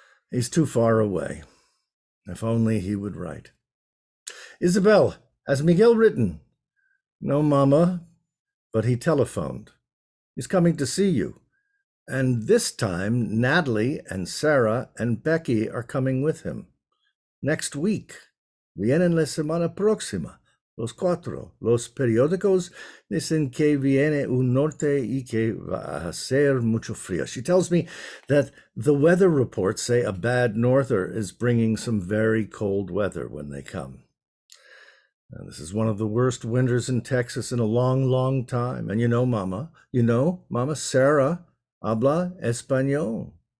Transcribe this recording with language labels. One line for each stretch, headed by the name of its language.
English: He's too far away. If only he would write. Isabel, has Miguel written? No, Mama, but he telephoned. He's coming to see you. And this time, Natalie and Sarah and Becky are coming with him. Next week,
Spanish: vienen la semana próxima, los cuatro, los periódicos dicen que viene un norte y que va a hacer mucho frío.
English: She tells me that the weather reports say a bad norther is bringing some very cold weather when they come. Now, this is one of the worst winters in Texas in a long, long time. And you know, Mama, Sarah
Spanish: habla español.